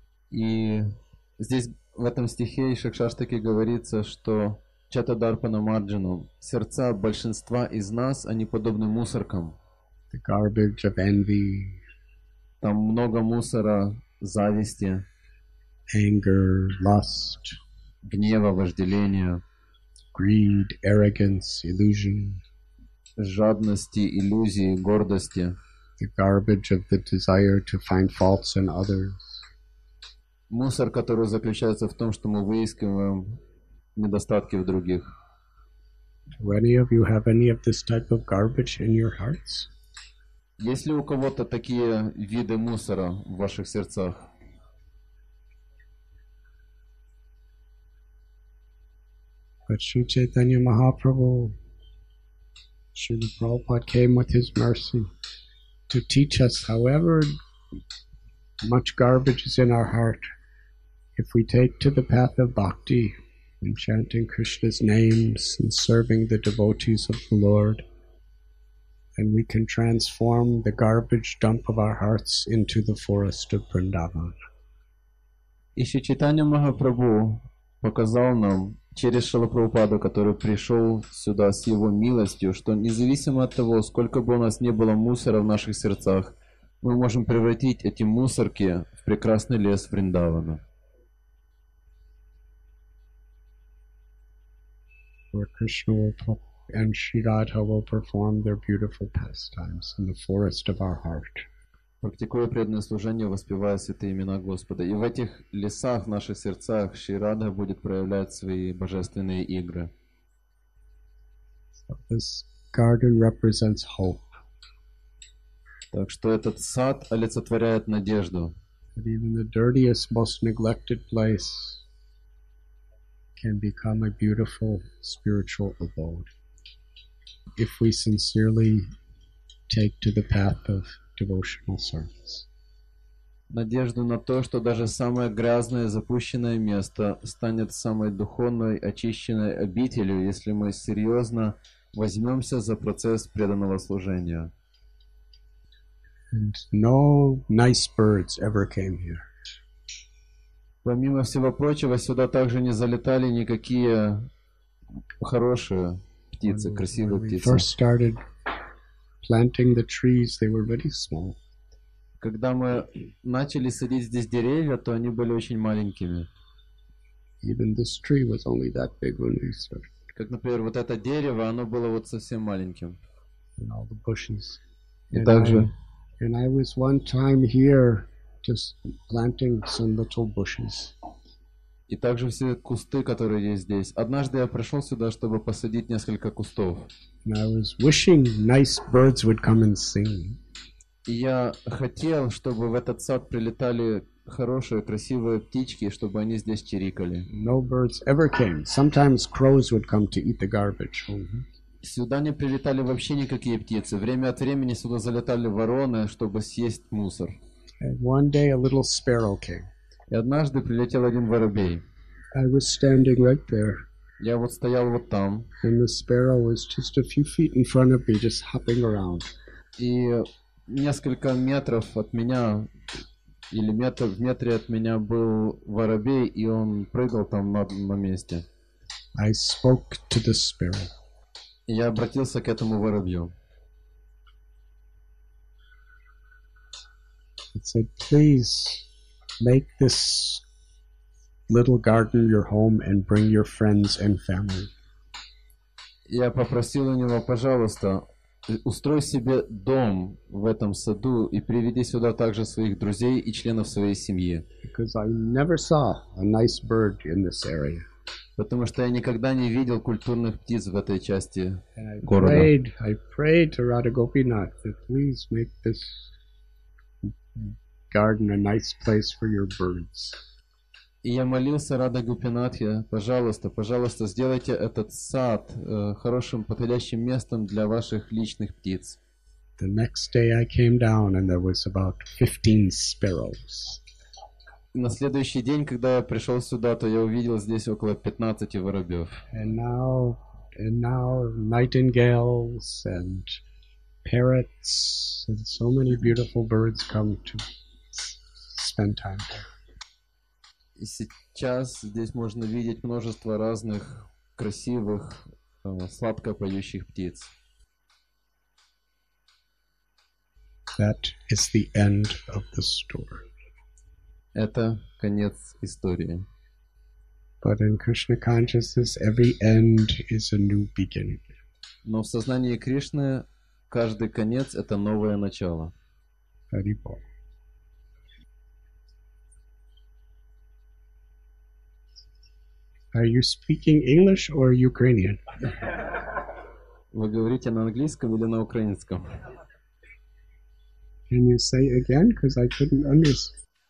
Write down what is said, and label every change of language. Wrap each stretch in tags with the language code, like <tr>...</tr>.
<ru>И здесь в этом стихе Шакшаштаки говорится, что Чата Дарпана Марджану. Сердца большинства из нас, они подобны мусоркам.</ru> <en>The garbage of envy.</en> <ru>Там много мусора, зависти.</ru> <en>Anger, lust.</en> <ru>Гнева, вожделения.</ru> <en>Greed, arrogance, illusion.</en> <ru>Жадности, иллюзии, гордости.</ru> <en>The garbage of the desire to find faults in others.</en> <ru>Мусор, который заключается в том, что мы выискиваем недостатки в других.</ru> <en>Do any of you have any of this type of garbage in your hearts?</en> <ru>Есть ли у кого-то такие виды мусора в ваших сердцах?</ru> <en>But Sri Chaitanya Mahaprabhu, Srila Prabhupada came with his mercy to teach us, however much garbage is in our heart, if we take to the path of bhakti, and chanting Krishna's names and serving the devotees of the Lord, and we can transform the garbage dump of our hearts into the forest of Vrindavan.</en> <ru>И Шри Чайтанья Махапрабху показал нам через Шрилу Прабхупаду, который пришел сюда с его милостью, что независимо от того, сколько бы у нас не было мусора в наших сердцах, мы можем превратить эти мусорки в прекрасный лес Вриндавана.</ru> <en>Where Krishna and Sri Radha will perform their beautiful pastimes in the forest of our heart.</en> <ru>Практикуя преданное служение, воспевая святые имена Господа, и в этих лесах, в наших сердцах, Шри Радха будет проявлять свои божественные игры.</ru> <en>So this garden represents hope.</en> <ru>Так что этот сад олицетворяет надежду.</ru> <en>That even the dirtiest, most neglected place can become a beautiful spiritual abode if we sincerely take to the path of devotional service.</en> <ru>Надежду на то, что даже самое грязное, запущенное место станет самой духовной, очищенной обителью, если мы серьезно возьмемся за процесс преданного служения.</ru> <en>And no nice birds ever came here.</en> <ru>Помимо всего прочего, сюда также не залетали никакие хорошие птицы, красивые птицы.</ru> <en>When we first started planting the trees, they were very small.</en> <ru>Когда мы начали садить здесь деревья, то они были очень маленькими.</ru> <en>Even this tree was only that big when we started.</en> <ru>Как, например, вот это дерево, оно было вот совсем маленьким.</ru> <en>And all the bushes.</en> <ru>И также...</ru> <en>And I was one time here just planting some little bushes.</en> <ru>И также все кусты, которые есть здесь. Однажды я пришел сюда, чтобы посадить несколько кустов.</ru> <en>And I was wishing nice birds would come and sing.</en> <ru>И я хотел, чтобы в этот сад прилетали хорошие, красивые птички, чтобы они здесь чирикали.</ru> <en>No birds ever came. Sometimes crows would come to eat the garbage.</en> <ru>Сюда не прилетали вообще никакие птицы. Время от времени сюда залетали вороны, чтобы съесть мусор.</ru> <en>And one day a little sparrow came.</en> <ru>И однажды прилетел один воробей.</ru> <en>I was standing right there.</en> <ru>Я вот стоял вот там.</ru> <en>And the sparrow was just a few feet in front of me, just hopping around.</en> <ru>И несколько метров от меня, или метр, в метре от меня был воробей, и он прыгал там на месте.</ru> <en>I spoke to the sparrow.</en> <ru>Я обратился к этому воробью.</ru> <en>I said, please make this little garden your home and bring your friends and family.</en> <ru>Я попросил у него, пожалуйста, устрой себе дом в этом саду и приведи сюда также своих друзей и членов своей семьи.</ru> <en>Because I never saw a nice bird in this area.</en> <ru>Потому что я никогда не видел культурных птиц в этой части города.</ru> <en>I prayed to Radha Gopinath to please make this garden a nice place for your birds.</en> <ru>И я молился Радхе Гопинатхе, пожалуйста, пожалуйста, сделайте этот сад хорошим, подходящим местом для ваших личных птиц.</ru> <en>The next day I came down and there was about 15 sparrows.</en> <ru>На следующий день, когда я пришел сюда, то я увидел здесь около 15 воробьев.</ru> <en>And now nightingales and parrots and so many beautiful birds come to spend time here.</en> <ru>И сейчас здесь можно видеть множество разных красивых, сладко поющих птиц.</ru> <en>That is the end of the story.</en> <ru>Это конец истории.</ru> <en>But in Krishna consciousness, every end is a new beginning.</en> <ru>Но в сознании Кришны каждый конец – это новое начало. Харибо.</ru> <en>Are you speaking English or Ukrainian?</en> <ru>Вы говорите на английском или на украинском?</ru> <en>Can you say again, because I couldn't understand.</en>